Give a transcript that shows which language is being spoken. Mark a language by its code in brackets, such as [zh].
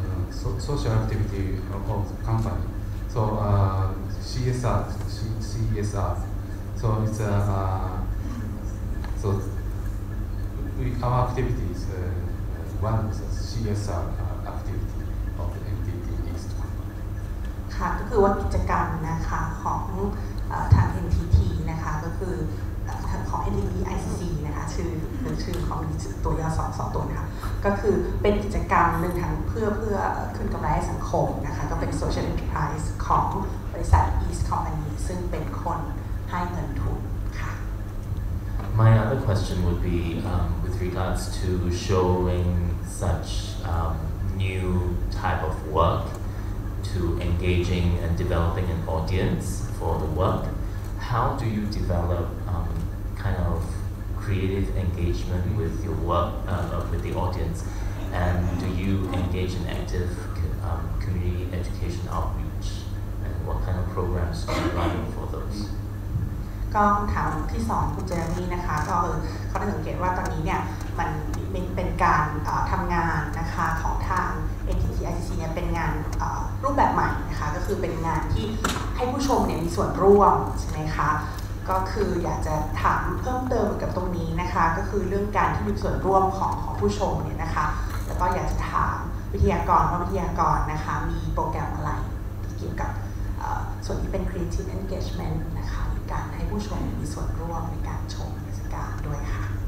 [en] social activity of the company. So CSR. So it's a so we, our activities one of the CSR activity of the NTT East. [th] ค่ะก็คือว่ากิจกรรมนะคะของทาง NTT นะคะก็คือของ NTT ICC นะคะชื่อของตัวย่อ2ตัวนะคะก็คือเป็นกิจกรรมนึงทั้งเพื่อขึ้นกำไรให้สังคมนะคะก็เป็น social enterprise ของบริษัท East Company ซึ่งเป็นคนให้เงินทุนค่ะ [en] My other question would be with regards to showing such new type of work to engaging and developing an audience for the work how do you develop kind of creative engagement with your work with the audience and do you engage in active community education outreach and what kind of programs do you run for those [th] ก็คำถามที่สองคุณเจมี่นะคะก็เขาได้สังเกตว่าตอนนี้เนี่ยมันเป็นการทำงานนะคะของทาง NTT ICC เนี่ยเป็นงาน รูปแบบใหม่นะคะก็คือเป็นงานที่ให้ผู้ชมเนี่ยมีส่วนร่วมใช่ไหมคะก็คืออยากจะถามเพิ่มเติมกับตรงนี้นะคะก็คือเรื่องการที่มีส่วนร่วมของผู้ชมเนี่ยนะคะแล้วก็อยากจะถามวิทยากรว่าวิทยากรนะคะมีโปรแกรมอะไรที่เกี่ยวกับส่วนที่เป็น creative engagement นะคะการให้ผู้ชมมีส่วนร่วมในการชมกิจกรรมด้วยค่ะ